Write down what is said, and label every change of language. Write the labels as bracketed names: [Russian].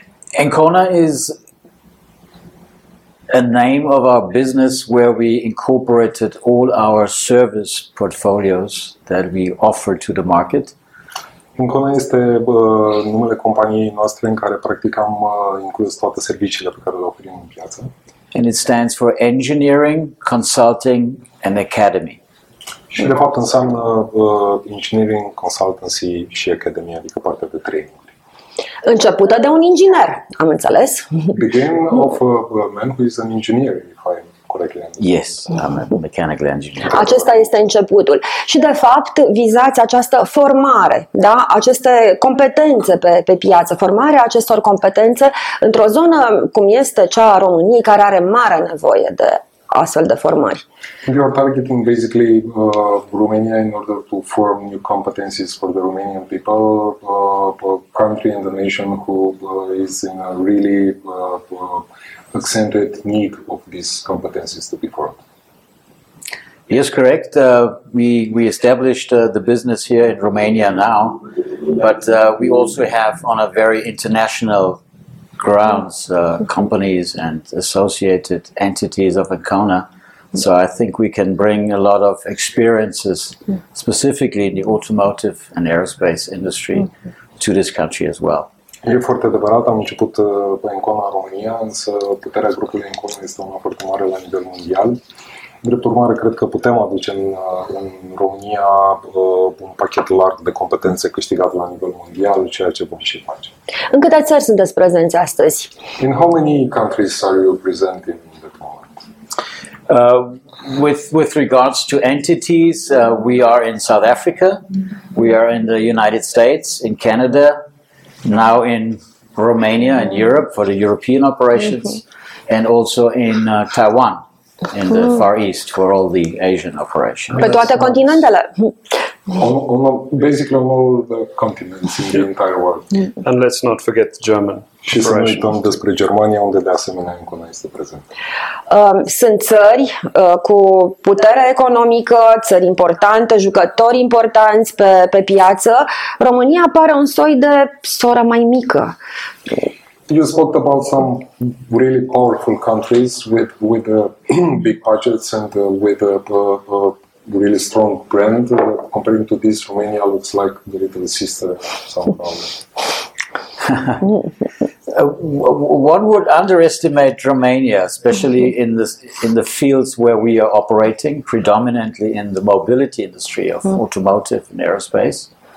[English] Encona is a name of our business where we incorporated all our service portfolios that we offer to the market. [Romanian] Encona este numele companiei noastre în care practic am inclus toate serviciile pe care le oferim în piață. [English] And it stands for Engineering, Consulting and Academy. [Romanian] Și de fapt înseamnă engineering, consultancy și academia, adică partea de traininguri. Începută de un inginer, am înțeles. [English] Begin of a man who is an engineer, if I'm correctly understand. Yes, I'm a mechanical engineer. [Romanian] Acesta este începutul. Și de fapt vizați această formare, da? Aceste competențe pe piață, formarea acestor competențe într-o zonă cum este cea a României, care are mare nevoie de astfel de formări. [English] We are targeting basically Romania in order to form new competencies for the Romanian people, a country and a nation who is in a really accentuated need of these competencies to be formed. Yes, correct. We established the business here in Romania now, but we also have on a very international grounds, companies and associated entities of Encona. So I think we can bring a lot of experiences, specifically in the automotive and aerospace industry, to this country as well. [Romanian] E foarte adevărat, am început pe Encona în România, însă puterea grupului Encona este una foarte mare la nivel mondial. Drept urmare, cred că putem aduce în România un pachet larg de competențe câștigat la nivel mondial, ceea ce vom și face. În câte țări sunteți prezenți astăzi? [English] In how many countries are you present in that moment? With regards to entities, we are in South Africa, we are in the United States, in Canada, now in Romania and Europe for the European operations, and also in Taiwan. In the Far East for all the Asian operations. [Romanian] Pe toate continentele. [English] Basically on all the continents in the entire world. And let's not forget German. [Romanian] Și să nu uităm despre Germania, unde de asemenea Encona este prezent. Sunt țări cu putere economică, țări importante, jucători importanți pe piață. România pare un soi de soră mai mică. [English] You spoke about some really powerful countries with big budgets and with a really strong brand. Comparing to this, Romania looks like the little sister somehow. One would underestimate Romania, especially in the fields where we are operating, predominantly in the mobility industry of automotive and aerospace.